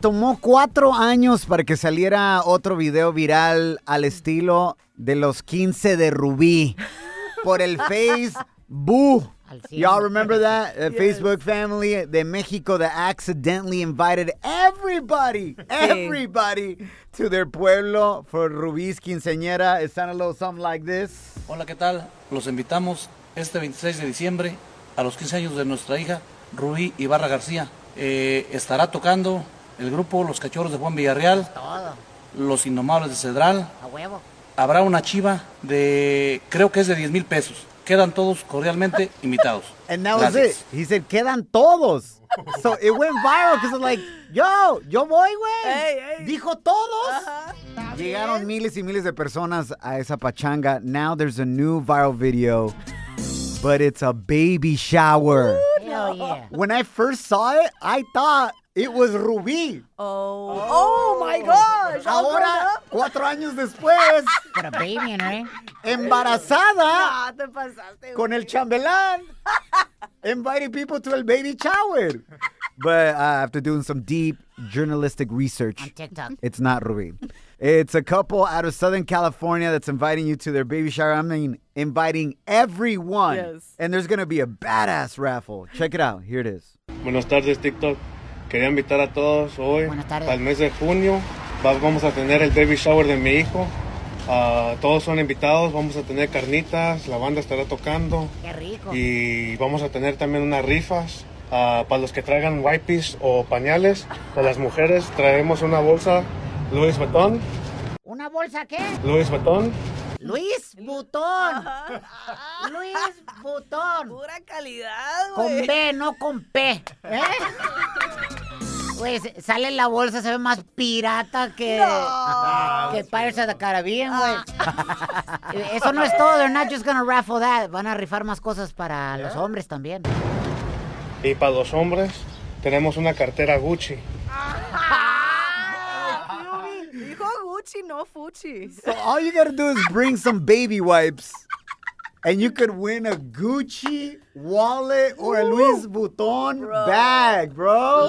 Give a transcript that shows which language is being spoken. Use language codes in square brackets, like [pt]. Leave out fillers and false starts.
[es] Tomó 4 años para que saliera otro video viral al estilo de los 15 de Rubí por el Facebook. [en] Y'all remember that? Yes. Facebook family [es] de México [en] that accidentally invited everybody to their pueblo for Rubí's quinceañera. It sounded a little something like this. [es] Hola, ¿qué tal? Los invitamos este 26 de diciembre a los 15 años de nuestra hija. Rubí Ibarra García estará tocando el grupo Los Cachorros de Juan Villarreal, Los Indomables de Cedral. A huevo. Habrá una chiva de, creo que es de 10,000 pesos. Quedan todos cordialmente invitados. [en] And that was it. He said, [es] quedan todos. [en] So it went viral because I'm like, [es] yo voy, güey. [en] Hey. [es] Dijo todos. Uh-huh. Llegaron miles y miles de personas a esa pachanga. [en] Now there's a new viral video, but it's a baby shower. Ooh. Hell yeah. When I first saw it, I thought it was Rubí. Oh. Oh, my gosh. [es] Ahora, 4 años después. [en] But a baby, [es] ¿no? Embarazada. No, te pasaste. Con el chambelán. [en] Inviting people to el baby shower. But after doing some deep journalistic research. On TikTok. It's not Rubí. It's a couple out of Southern California that's inviting you to their baby shower. I mean, inviting everyone. Yes. And there's going to be a badass raffle. Check it out. Here it is. [es] Buenas tardes, TikTok. Quería invitar a todos hoy. Buenas tardes. Al mes de junio vamos a tener el baby shower de mi hijo. Todos son invitados. Vamos a tener carnitas. La banda estará tocando. Qué rico. Y vamos a tener también unas rifas. Para los que traigan wipes o pañales. Para las mujeres traemos una bolsa. Luis Vuitton. ¿Una bolsa qué? Luis Vuitton. Luis Vuitton. Luis Vuitton. Pura calidad, güey. Con B, no con P. ¿Eh? Güey, sale la bolsa, se ve más pirata que... No. Que Pirates of the Caribbean, güey. Eso no es todo. [en] They're not just gonna raffle that. [es] Van a rifar más cosas para los hombres también. Y para los hombres, tenemos una cartera Gucci. Gucci, no Fucci. [en] So all you gotta do is bring some baby wipes and you could win a Gucci wallet or a Louis Vuitton bag, bro.